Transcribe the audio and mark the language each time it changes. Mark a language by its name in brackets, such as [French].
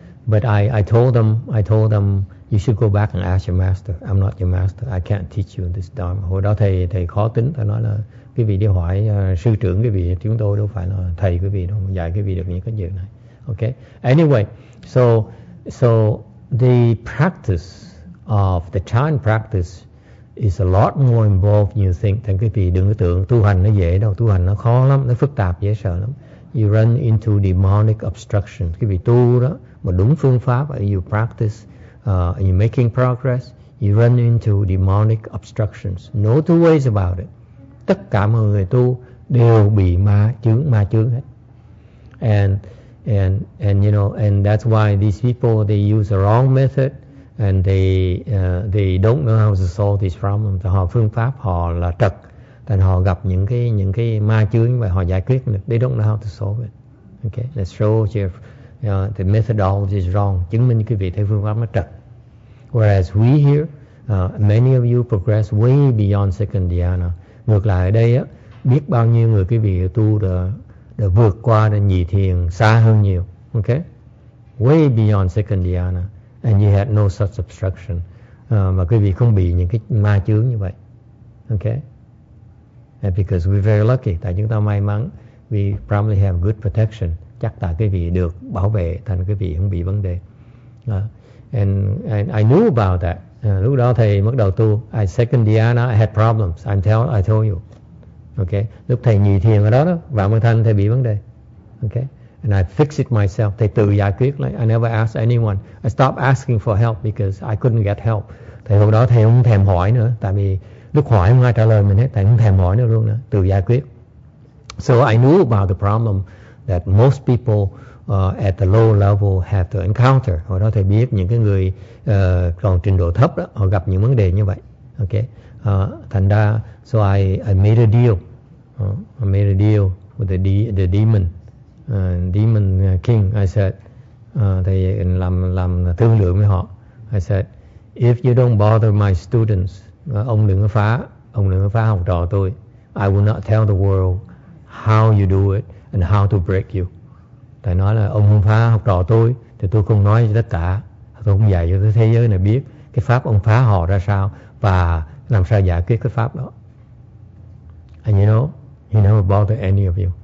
[English] But I told them you should go back and ask your master. I'm not your master. I can't teach you this dharma. [Vietnamese] Hồi đó thầy khó tính. Thầy nói là quý vị đi hỏi sư trưởng quý vị, chúng tôi đâu phải là thầy quý vị đâu, dạy quý vị được những cái điều này. [English] Okay. Anyway, so the practice of the chan practice is a lot more involved than you think. [Vietnamese] Thầy quý vị đừng có tưởng tu hành nó dễ đâu. Tu hành nó khó lắm, nó phức tạp, dễ sợ lắm. [English] You run into demonic obstructions. [Vietnamese] Quý vị tu đó mà đúng phương pháp, [English] you practice, you making progress, you run into demonic obstructions. No two ways about it. [Vietnamese] Tất cả mọi người tu đều bị ma chướng hết. [English] And you know, and that's why these people, they use the wrong method, and they don't know how to solve these problems. [Vietnamese] Họ phương pháp họ là trật. Thành họ gặp những cái ma chướng và họ giải quyết được. [English] They don't know how to solve it. Okay, let's show you know, the methodology is wrong. [Vietnamese] Chứng minh quý vị thấy phương pháp nó trật. [English] Whereas we here, many of you progress way beyond second dhyana. [Vietnamese] Ngược lại ở đây á, biết bao nhiêu người quý vị tu đã vượt qua đã nhị thiền xa hơn nhiều. [English] Okay, way beyond second dhyana, and you had no such obstruction. [Vietnamese] Mà quý vị không bị những cái ma chướng như vậy. Okay. [English] And because we're very lucky, [Vietnamese] tại chúng ta may mắn, [English] we probably have good protection. [Vietnamese] Chắc tại quý vị được bảo vệ, thành quý vị không bị vấn đề. [English] And I knew about that. [Vietnamese] Lúc đó thầy bắt đầu tu. [English] I second dhyana, I had problems. I told you. Okay. [Vietnamese] Lúc thầy nhị thiền ở đó, Vạn Mơ Thanh thầy bị vấn đề. [English] Okay. And I fixed it myself. [Vietnamese] Thầy tự giải quyết. [English] Like, I never asked anyone. I stopped asking for help because I couldn't get help. [Vietnamese] Thầy hồi đó thầy không thèm hỏi nữa, tại vì lúc hỏi không ai trả lời mình hết, tại không thèm hỏi nữa luôn nữa, tự giải quyết. [English] So I knew about the problem that most people at the low level have to encounter. [Vietnamese] Hồi đó thầy biết những cái người còn trình độ thấp đó, họ gặp những vấn đề như vậy. [English] Okay. [Vietnamese] Thành ra, [English] so I made a deal. I made a deal the demon, demon king. I said, [Vietnamese] thầy làm thương lượng với họ. [English] I said, if you don't bother my students, [Vietnamese] ông đừng có phá học trò tôi. [English] I will not tell the world how you do it and how to break you. [Vietnamese] Thầy nói là ông không phá học trò tôi thì tôi không nói cho tất cả, tôi không dạy cho thế giới này biết cái pháp ông phá họ ra sao và làm sao giải quyết cái pháp đó. [English] And you know, he never bothered any of you.